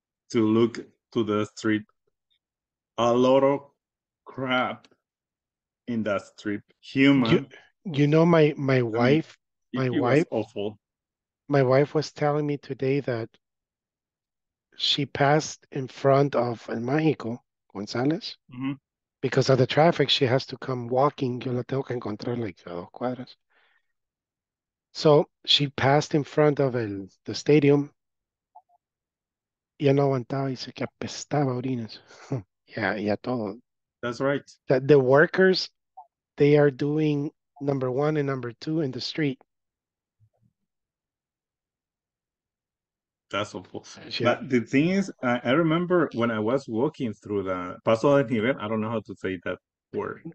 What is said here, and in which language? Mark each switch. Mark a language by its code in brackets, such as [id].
[en] To look to the street, a lot of crap in that street. Human, you know, my wife was telling me today that she passed in front of El Mágico González mm-hmm. Because of the traffic, she has to come walking. [es] Yo la tengo que encontrar like a dos cuadras. [en] So she passed in front of the stadium. [es] Ya no aguantaba y se que apestaba orines. [en] Yeah, todo. That's right. The workers, they are doing number one and number two in the street. That's awful. Yeah. But the thing is, I remember when I was walking through the Paso del Nivel, I don't know how to say that word.